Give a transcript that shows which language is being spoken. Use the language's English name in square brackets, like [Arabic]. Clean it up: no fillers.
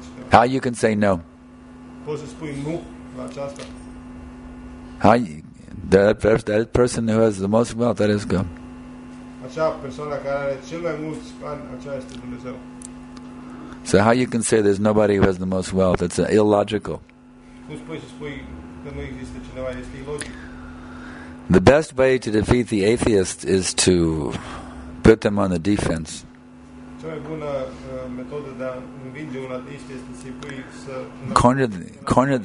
[English] How you can say no? That person who has the most wealth, that is God. [Romanian] Acea persoană care are cel mai mult bani, aceea este Dumnezeu. [English] So how you can say there's nobody who has the most wealth? It's illogical. [Romanian] Cum spui să spui că nu există cineva? Este ilogic. [English] The best way to defeat the atheist is to put them on the defense. [Romanian] Cea mai bună metodă de a învinge un ateist este să-i pui să...